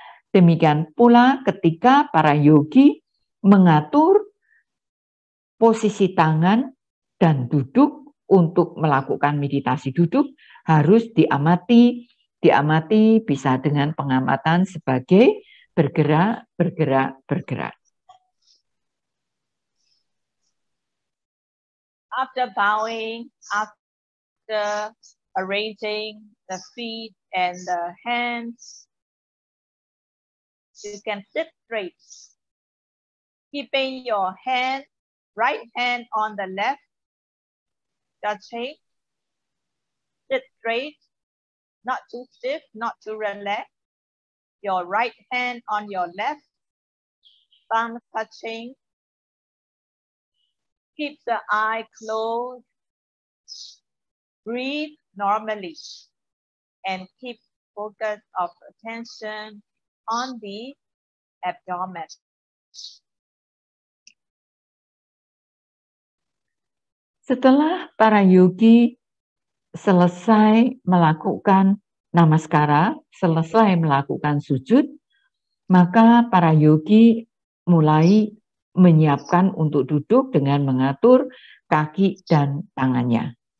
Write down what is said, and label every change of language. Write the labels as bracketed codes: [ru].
[id] Demikian pula ketika para yogi mengatur posisi tangan dan duduk untuk melakukan meditasi duduk, harus diamati bisa dengan pengamatan sebagai bergerak, bergerak, bergerak. [en] After bowing, after arranging the feet and the hands, you can sit straight, keeping your hand, right hand on the left, touching, sit straight, not too stiff, not too relaxed, your right hand on your left, palm touching. Keep the eye closed, breathe normally, and keep focus of attention on the abdomen. [id] Setelah para yogi selesai melakukan namaskara, selesai melakukan sujud, maka para yogi mulai menyiapkan untuk duduk dengan mengatur kaki dan tangannya.